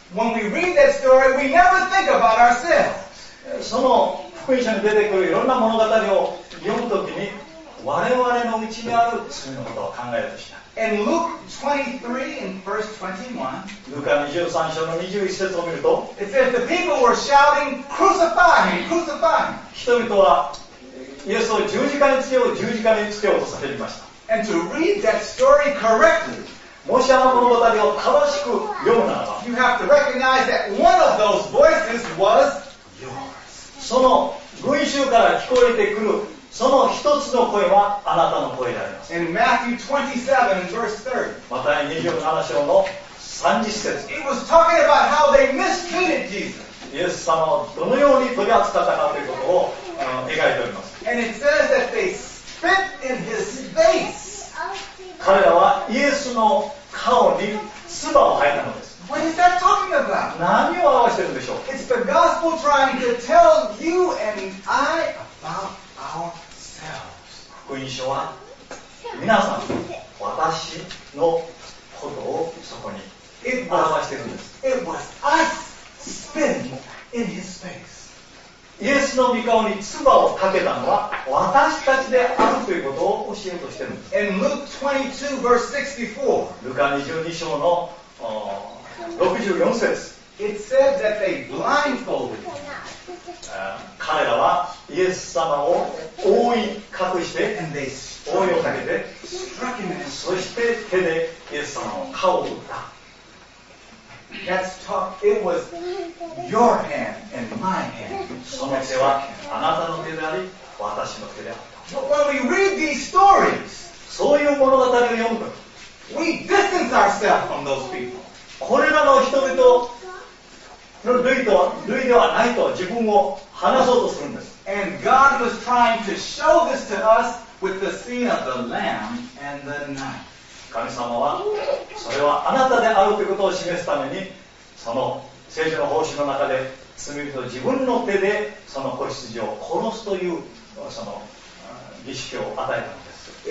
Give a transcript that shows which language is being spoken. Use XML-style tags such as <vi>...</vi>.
<en>When we read that story, we never think about ourselves.</en> <ja>その福音書に出てくるいろんな物語を読むときに我々のうちにある罪のことを考えようとした。</ja> <en>And Luke 23 and verse 21,</en> <ja>Luke 23章の21節を見ると</ja> <en>It says the people were shouting, crucify him, crucify him.</en> <ja>人々はイエスを十字架につけよう、十字架につけようと叫びました。</ja> <en>And to read that story correctly,</en> <ja>もしあの物語を正しく読むならば</ja> <en>You have to recognize that one of those voices was yours.</en> <ja>その群衆から聞こえてくるその一つの声はあなたの声であります。</ja> <en>In Matthew 27 verse 30,</en> <ja>マタイ27章の30節。</ja> <en>It was talking about how they mistreated Jesus.</en> <ja>イエス様をどのように取り扱ったかということを描いております。</ja> <en>And it says that they spit in his face.</en> <ja>彼らはイエスの顔に唾を吐いたのです。</ja> <en>What is that talking about?</en> <ja>何を表しているんでしょう。</ja> <en>It's the gospel trying to tell you and I about ourselves.</en> <ja>福音書は皆さん、私のことをそこに表しているんです。</ja> <en>It was us spitting in his face.</en> <ja>イエスの御顔に唾をかけたのは私たちであるということを教えようとしているんです。</ja> <en>In Luke 22, verse 64,</en> <ja>ルカ22章の64節。</ja> <en>It said that they blindfolded.</en> <ja>彼らはイエス様を覆い隠して、覆いをかけて、そして手でイエス様の顔を打った。</ja> <en>It was your hand and my hand.</en> <ja>その手はあなたの手であり、私の手であった。</ja> <en>But when we read these stories,</en> <ja>そういう物語を読むと、</ja> <en>we distance ourselves from those people.</en> <ja>これらの人々を類ではないと自分を話そうとするんです。</ja> <en>And God was trying to show this to us with the scene of the lamb and the knife.</en> <ja>神様はそれはあなたであるということを示すためにその聖書の報酬の中で罪人を自分の手でその子羊を殺すというその儀式を与えたのです。</ja>